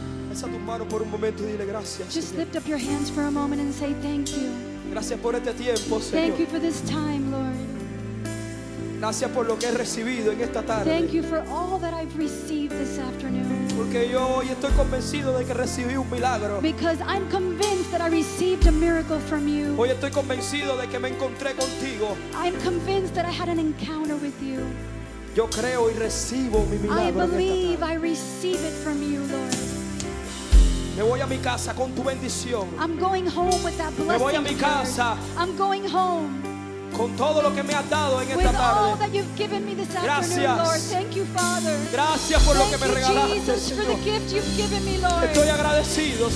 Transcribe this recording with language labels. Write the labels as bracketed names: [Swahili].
[Spanish] Alza tu mano por un momento y dile gracias. [English] Just Señor. Lift up your hands for a moment and say thank you. [Spanish] Gracias por este tiempo, Señor. [English] Thank you for this time, Lord. [Spanish] Gracias por lo que he recibido en esta tarde. [English] Thank you for all that I've received this afternoon. [Spanish] Porque yo hoy estoy convencido de que recibí un milagro. [English] Because I'm convinced that I received a miracle from you. [Spanish] Hoy estoy convencido de que me encontré contigo. [English] I'm convinced that I had an encounter with you. [Spanish] Yo creo y recibo mi milagro. [English] I believe I receive it from you, Lord. [Spanish] Me voy a mi casa con tu bendición. [English] I'm going home with that blessing. [Spanish] Me voy a mi casa. [English] I'm going home. [Spanish] Con todo lo que me has dado en [English] with [Spanish] esta tarde. [English] All that you've given me this [Spanish] gracias. [English] Afternoon, Lord. Thank you, Father. [Spanish] Gracias por [English] thank [Spanish] lo que me regalaste, [English] for the gift you've given me, Lord. [Spanish] Estoy agradecido,